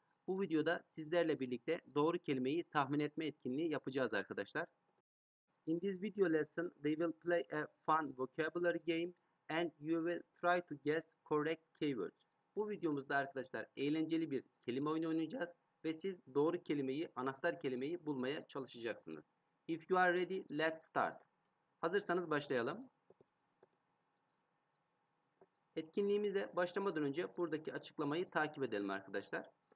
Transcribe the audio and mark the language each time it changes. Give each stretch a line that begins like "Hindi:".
Turkish: Bu videoda sizlerle birlikte doğru kelimeyi tahmin etme etkinliği yapacağız arkadaşlar.
English: In this video lesson, we will play a fun vocabulary game and you will try to guess correct keywords.
Turkish: Bu videomuzda arkadaşlar eğlenceli bir kelime oyunu oynayacağız ve siz doğru kelimeyi, anahtar kelimeyi bulmaya çalışacaksınız.
English: If you are ready, let's start.
Turkish: Hazırsanız başlayalım. Etkinliğimize başlamadan önce buradaki açıklamayı takip edelim arkadaşlar.